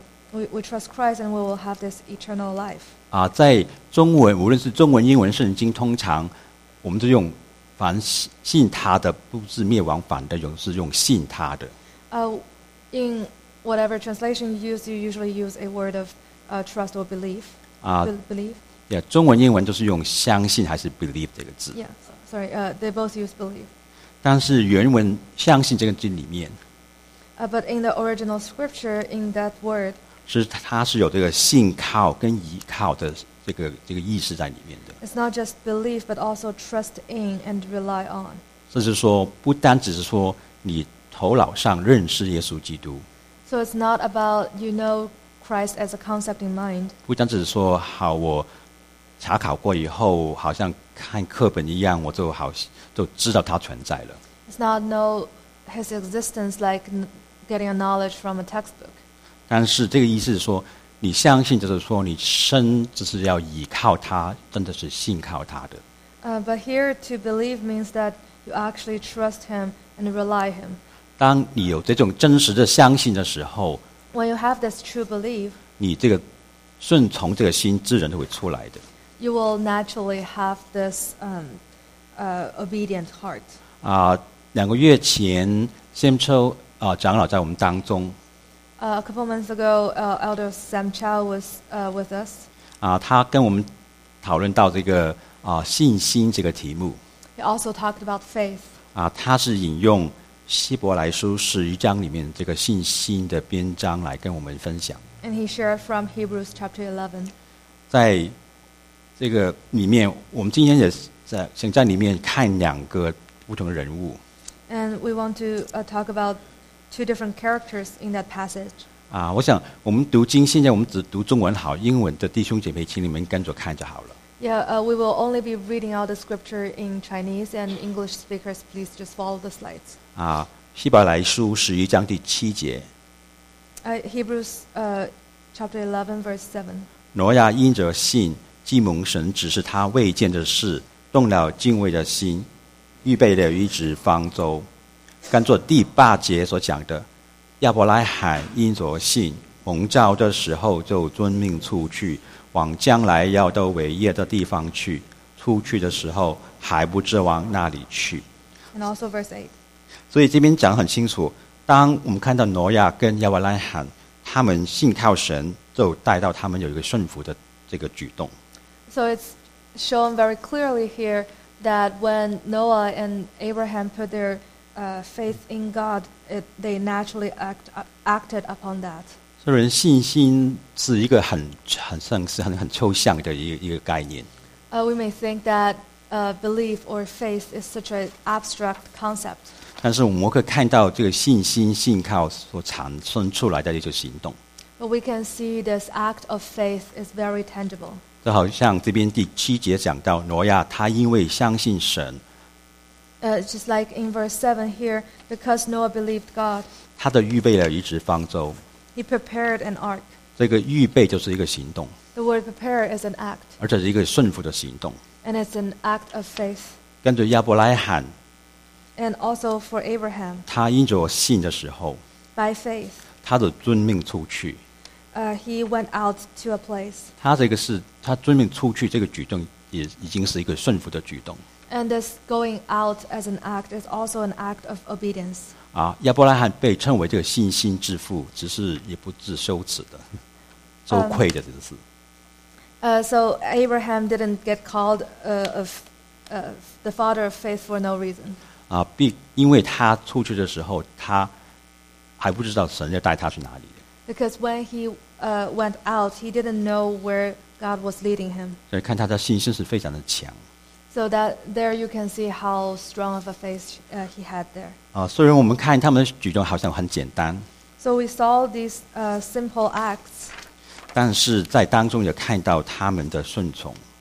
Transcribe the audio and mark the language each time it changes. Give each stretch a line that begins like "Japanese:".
English: We trust Christ, and we will have this eternal life.
Chinese: 啊，在中文，无论是中文、英文圣经，通常我们都用凡信他的不至灭亡，反的永是用信他的。
English: In whatever translation you use, you usually use a word of trust or belief. Believe.
Chinese: Yeah, 中文英文都是用相信还是 believe 这个字。
English: Yeah, sorry. They both use believe.
Chinese: 但是原文相信这个字里面。
English: But in the original scripture, in that word.
Chinese: 是它是有这个信靠跟依靠的这个意思在里面的。
English: It's not just believe, but also trust in and rely on.
Chinese: 这是说不单只是说你。头脑上认识耶稣基督
English: So it's not about you know Christ as a concept in mind
Chinese: 不单只是说好我查考过以后好像看课本一样我就知道他存在了
English: It's not know his existence like getting a knowledge from a textbook
Chinese: 但是这个意思是说你相信就是说你身只是要依靠他真的是信靠他的
English: But here to believe means that you actually trust him and rely him
Chinese: 当你有这种真实的相信的时候
English: When you have this true belief
Chinese: 你这个顺从这个心自然就会出来的
English: You will naturally have this obedient heart
Chinese: 啊，两个月前 Sam Chow 长老在我们当中
English: A couple months ago Elder Sam Chow was with us
Chinese: 啊，他跟我们讨论到这个信心这个题目
English: He also talked about faith
Chinese: 啊，他是引用希伯来书十一章里面这个信心的篇章来跟我们分享。
English: And he shared from Hebrews chapter 11.
Chinese: 在这个里面，我们今天也在想在里面看两个不同的人物。
English: And we want to talk about two different characters in that passage.
Chinese: 啊，我想我们读经，现在我们只读中文好，英文的弟兄姐妹，请你们跟着看就好了。
English: Yeah, we will only be reading out the scripture in Chinese and English speakers, please just follow the slides.
Chinese: 啊，希伯来书十一章第七节。
English: Hebrews chapter 11 verse 7.
Chinese: 挪亚因着信，既蒙神指示他未见的事，动了敬畏的心，预备了一只方舟。跟着第八节所讲的，亚伯拉罕因着信，蒙召的时候就遵命出去。往将来要到伟业的地方去，出去的时候还不知往那里去。
English: And also verse 8.
Chinese: 所以这边讲很清楚，当我们看到挪亚跟亚伯拉罕他们信靠神，就带到他们有一个顺服的这个举动。
English: So it's shown very clearly here that when Noah and Abraham put their faith in God, they naturally acted upon that.
Chinese: 所以人信心是一个很抽象的一个概念。
English: We may think that belief or faith is such an abstract concept.
Chinese: 但是我们可以看到这个信心信靠所产生出来的一种行动。
English: But we can see this act of faith is very tangible.
Chinese: 就好像这边第七节讲到挪亚他因为相信神。
English: Just like in verse 7 here, because Noah believed God,
Chinese: 他的预备了一只方舟。
English: He prepared an ark.
Chinese: 这个预备就是一个行动。
English: The word prepare is an act.
Chinese: 而且是一个顺服的行动。
English: And it's an act of faith.
Chinese: 跟着亚伯拉罕。
English: And also for Abraham.
Chinese: 他因着信的时候。
English: By faith.
Chinese: 他的遵命出去。
English: He went out to a place.
Chinese: 他遵命出去这个举动也已经是一个顺服的举动。
English: And this going out as an act is also an act of obedience.
Chinese: 啊，亚伯拉罕被称为这个信心之父，只是也不自羞耻的，羞愧的，这是。
English: So Abraham didn't get called the father of faith for no reason.
Chinese: 啊，因为他出去的时候，他还不知道神要带他去哪里。
English: Because when he went out, he didn't know where God was leading him.
Chinese: 所以看他的信心是非常的强。
English: So that there you can see how strong of a faith he had there.
Chinese: 虽然我们看他们的举动好像很简单。
English: So we saw these simple acts.
Chinese: 但是在当中也看到他们的顺从。